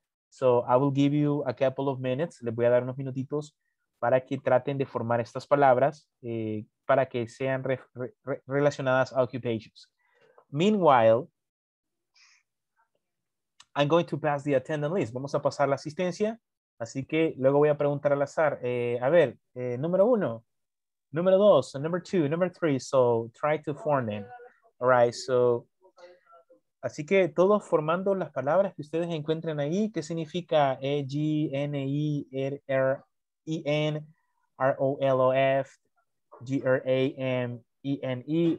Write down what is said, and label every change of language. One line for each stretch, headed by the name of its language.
English: So I will give you a couple of minutes.
Spanish: Les voy a dar unos minutitos para que traten de formar estas palabras para que sean relacionadas a occupations.
English: Meanwhile, I'm going to pass the attendance list.
Spanish: Vamos a pasar la asistencia. Así que luego voy a preguntar al azar. Número uno. Número dos.
English: So number two. Number three. So try to form them. All right.
Spanish: So, así que todos formando las palabras que ustedes encuentren ahí. ¿Qué significa E-G-N-E-R-E-N-R-O-L-O-F-G-R-A-M-E-N-E?